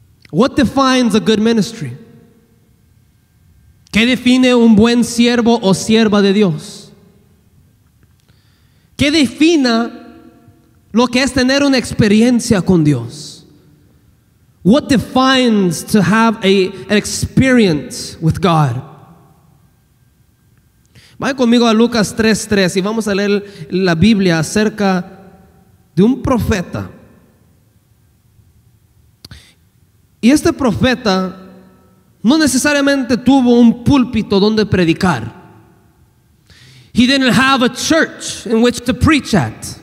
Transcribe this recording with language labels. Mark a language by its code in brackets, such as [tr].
[en] What defines a good ministry? [es] ¿Qué define un buen siervo o sierva de Dios? ¿Qué defina lo que es tener una experiencia con Dios? [en] What defines to have an experience with God? [es] Vayan conmigo a Lucas 3:3 y vamos a leer la Biblia acerca de un profeta. Y este profeta no necesariamente tuvo un púlpito donde predicar. [en] He didn't have a church in which to preach at.